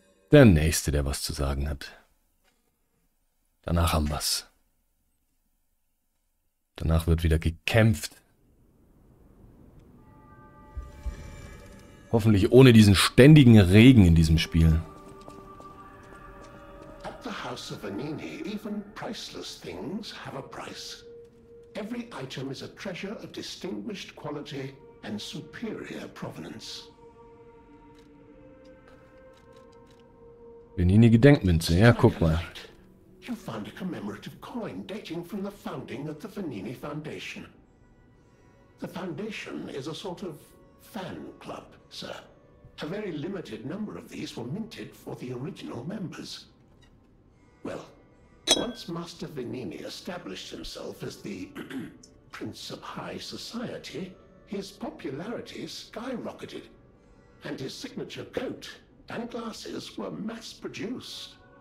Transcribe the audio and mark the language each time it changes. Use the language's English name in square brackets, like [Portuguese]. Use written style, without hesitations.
[German] Der Nächste, der was zu sagen hat. Danach haben wir's. Danach wird wieder gekämpft. Hoffentlich ohne diesen ständigen Regen in diesem Spiel. [English] At the house of Venini, even priceless things have a price. Every item is a treasure of distinguished quality and superior provenance. [German] Venini Gedenkmünze, ja, guck mal. [English] You found a commemorative coin dating from the founding of the Venini Foundation. The foundation is a sort of fan club, sir. A very limited number of these were minted for the original members. Well, once Master Venini established himself as the Prince of High Society, his popularity skyrocketed, and his signature coat and glasses were mass-produced.